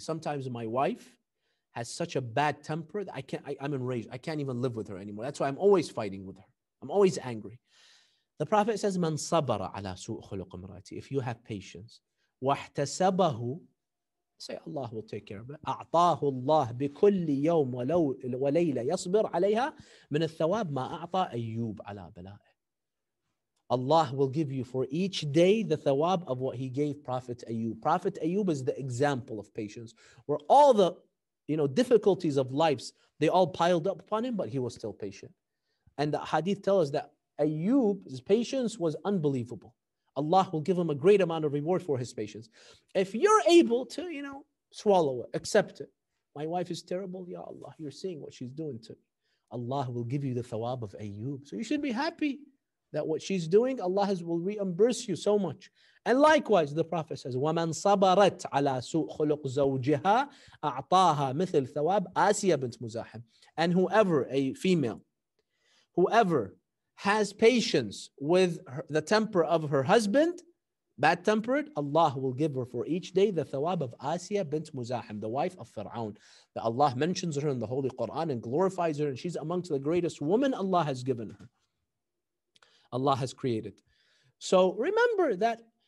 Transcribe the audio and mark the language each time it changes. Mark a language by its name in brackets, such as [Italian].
[English] Sometimes my wife has such a bad temper that I'm enraged. I can't even live with her anymore. That's why I'm always fighting with her. I'm always angry. The Prophet says, [Arabic] "Man sabara ala su'i khuluq imra'atihi." [English] If you have patience, [Arabic] wahtasabahu, [English] say Allah will take care of it. [Arabic] أعطاه الله بكل يوم ولو وليلة يصبر عليها من الثواب ما أعطى أيوب على بلائه. [English] Allah will give you for each day the thawab of what He gave Prophet Ayyub. Prophet Ayyub is the example of patience, where all the, you know, difficulties of life, they all piled up upon him, but he was still patient. And the hadith tell us that Ayyub's patience was unbelievable. Allah will give him a great amount of reward for his patience. If you're able to, you know, swallow it, accept it. My wife is terrible. Ya Allah, you're seeing what she's doing to me. Allah will give you the thawab of Ayyub. So you should be happy that what she's doing, Allah will reimburse you so much. And likewise, the Prophet says, [Arabic] وَمَنْ صَبَرَتْ عَلَىٰ سُوءْ خُلُقْ زَوْجِهَا أَعْطَاهَا مِثِلْ ثَوَابْ آسِيَ بِنْتْ مُزَاحِمْ. [English] And whoever, a female, whoever has patience with her, the temper of her husband, bad tempered, Allah will give her for each day the thawab of Asiya bint Muzahim, the wife of Fir'aun. That Allah mentions her in the Holy Quran and glorifies her, and she's amongst the greatest women Allah has given her. Allah has created. So remember that